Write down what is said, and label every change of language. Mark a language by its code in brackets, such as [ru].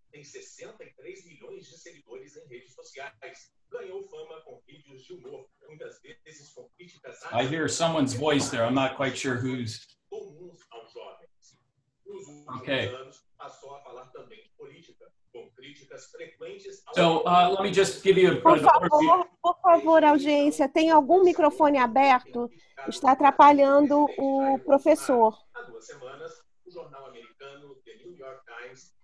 [pt] Tem 63 milhões de seguidores em redes sociais. Ganhou fama com vídeos de humor, muitas vezes com críticas. [en] I hear someone's voice there. I'm not quite sure whose. [pt] Comuns aos jovens. Nos últimos anos, passou a falar também de política, com críticas frequentes. [en] So, let me just give you a [pt] Por favor, audiência, tem algum microfone aberto? Está atrapalhando o professor. Há duas semanas, o jornal americano The New York Times.